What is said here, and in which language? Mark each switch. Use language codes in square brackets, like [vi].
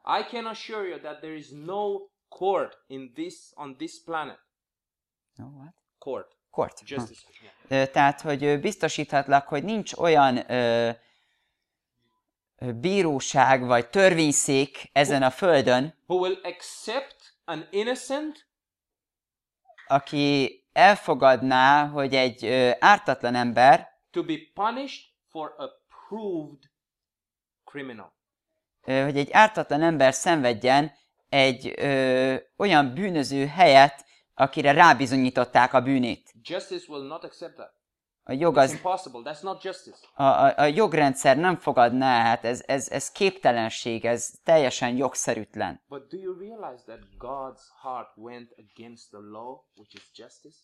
[en] I can assure you that there is no court in this on this planet. No what? Court. Court. [hu] Tehát, hogy biztosíthatlak, hogy nincs olyan bíróság vagy törvényszék ezen a földön, [en] who will accept an innocent, [hu] aki elfogadná, hogy egy ártatlan ember [en] to be punished for a proved criminal. [hu] Hogy egy ártatlan ember szenvedjen egy olyan bűnöző helyett, akire rábizonyították a bűnét. [en] Justice will not accept that. [hu] A jog az... [en] It's impossible. That's not justice. [hu] A jogrendszer nem fogadná, hát ez képtelenség, ez teljesen jogszerűtlen. [en] But do you realize that God's heart went against the law, which is justice?